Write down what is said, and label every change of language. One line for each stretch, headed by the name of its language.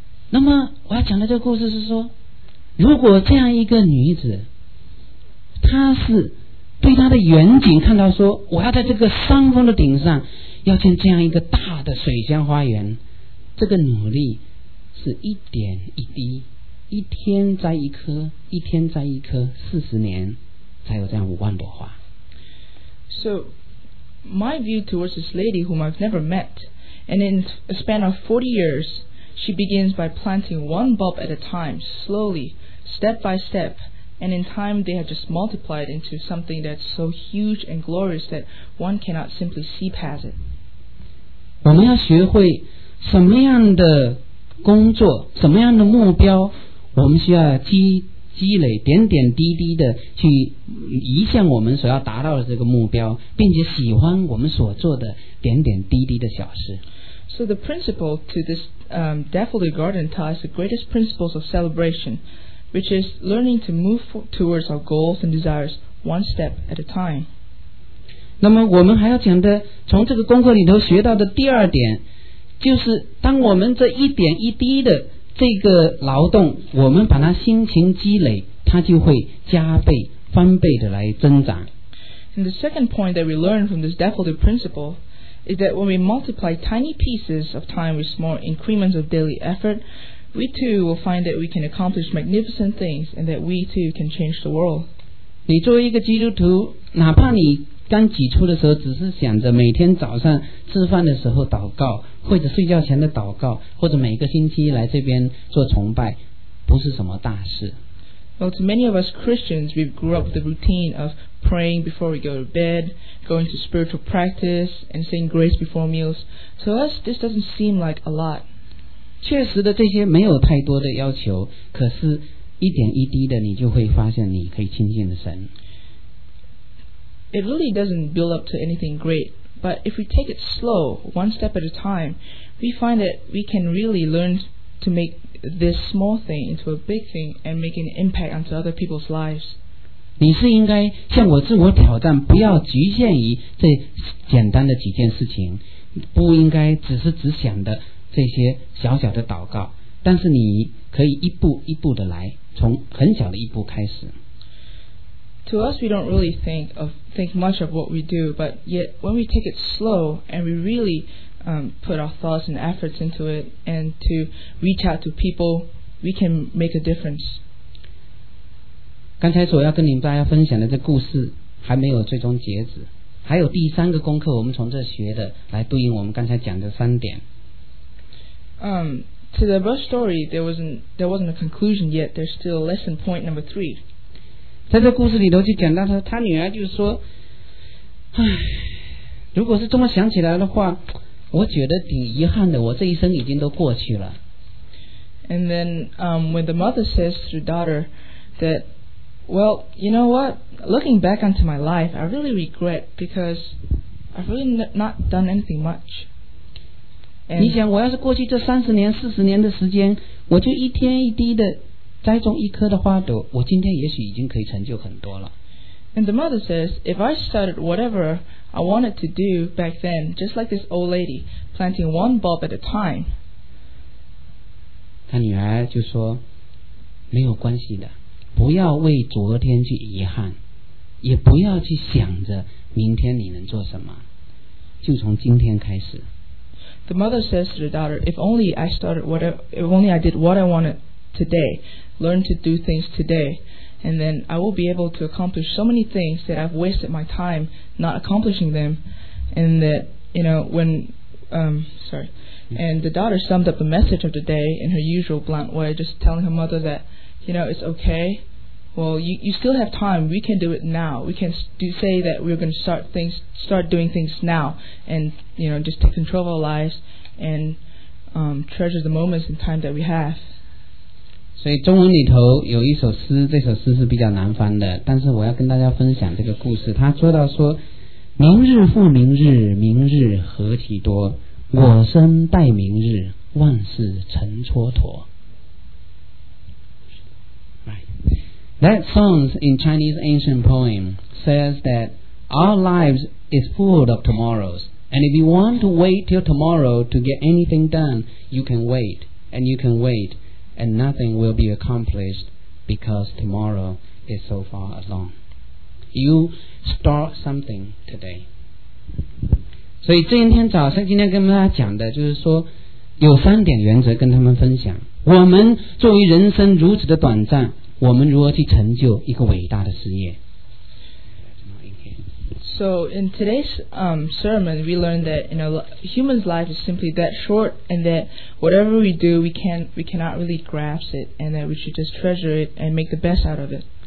Chinese: 那么我要讲的这个故事是说，如果这样一个女子，她是对她的远景看到说，我要在这个山峰的顶上要建这样一个大的水仙花园，这个努力是一点一滴，一天摘一颗，一天摘一颗，四十年才有这样50,000朵花。
English: So, my view towards this lady whom I've never met, and in a span of 40 years, she begins by planting one bulb at a time, slowly, step by step, and in time they have just multiplied into something that's so huge and glorious that one cannot simply see past it.
Chinese: 我们要学会什么样的工作，什么样的目标。我们需要 积累点点滴滴的去移向我们所要达到的这个目标，并且喜欢我们所做的点点滴滴的小事。
English: So the principle to this daffodil garden ties the greatest principles of celebration, which is learning to move towards our goals and desires one step at a time.
Chinese: 那么我们还要讲的从这个功课里头学到的第二点，就是当我们这一点一滴的这个劳动，我们把它辛勤积累，它就会加倍翻倍的来增长。
English: And the second point that we learn from this daffodil principle is that when we multiply tiny pieces of time with small increments of daily effort, we too will find that we can accomplish magnificent things and that we too can change the world.
Chinese: 你作为一个基督徒，哪怕你刚起初的时候只是想着每天早上吃饭的时候祷告，或者睡觉前的祷告，或者每个星期来这边做崇拜，不是什么大事。
English: Well, to many of us Christians, we grew up with the routine of praying before we go to bed, going to spiritual practice, and saying grace before meals. To us, this doesn't seem like a lot.
Chinese: 确实的，这些没有太多的要求，可是一点一滴的，你就会发现你可以亲近的神。
English: It really doesn't build up to anything great, but if we take it slow, one step at a time, we find that we can really learn to make this small thing into a big thing and make an impact onto other people's lives.
Chinese: 你是应该向我自我挑战，不要局限于这简单的几件事情，不应该只想的这些小小的祷告，但是你可以一步一步的来，从很小的一步开始。
English: To us, we don't really think much of what we do, but yet when we take it slow and we really put our thoughts and efforts into it and to reach out to people, we can make a difference.
Chinese: 刚才所要跟你们大家分享的这故事还没有最终截止，还有第三个功课我们从这学的来对应我们刚才讲的三点。
English: To the first story, there wasn't a conclusion yet. There's still lesson point number three.
Chinese: 在这故事里头就讲到他女儿就说，如果是这么想起来的话，我觉得挺遗憾的，我这一生已经都过去了。
English: And then when the mother says to the daughter that, well, you know what, looking back onto my life, I really regret because I've really not done anything much.
Chinese: And 你想我要是过去这三十年四十年的时间，我就一天一滴的栽种一颗的花朵，我今天也许已经可以成就很多了。
English: And the mother says, if I started whatever I wanted to do back then, just like this old lady, planting one bulb at a time. 她女儿就说，没有关系的，不要为昨天去遗憾，也不要去想着明天你能做什么，就从今天开始。 The mother says to the daughter, if only I did what I wanted today, learn to do things today, and then I will be able to accomplish so many things that I've wasted my time not accomplishing them. And that, you know, when, and the daughter summed up the message of the day in her usual blunt way, just telling her mother that, you know, it's okay. Well, you still have time. We can do it now. We can say that we're going to start doing things now, and, you know, just take control of our lives and treasure the moments and time that we have.
Chinese: 所以中文里头有一首诗，这首诗是比较难翻的，但是我要跟大家分享这个故事。他说到说，明日复明日，明日何其多，我生待明日，万事成蹉跎。
English: That song in Chinese ancient poem says that our lives is full of tomorrows. And if you want to wait till tomorrow to get anything done, you can wait and you can wait and nothing will be accomplished because tomorrow is so far along. You start something today.
Chinese: 所以今天早上今天跟大家讲的就是说有三点原则跟他们分享。我们作为人生如此的短暂，我们如何去成就一个伟大的事业。
English: So in today's sermon we learned that, you know, human's life is simply that short, and that whatever we do we cannot really grasp it, and that we should just treasure it and make the best out of it.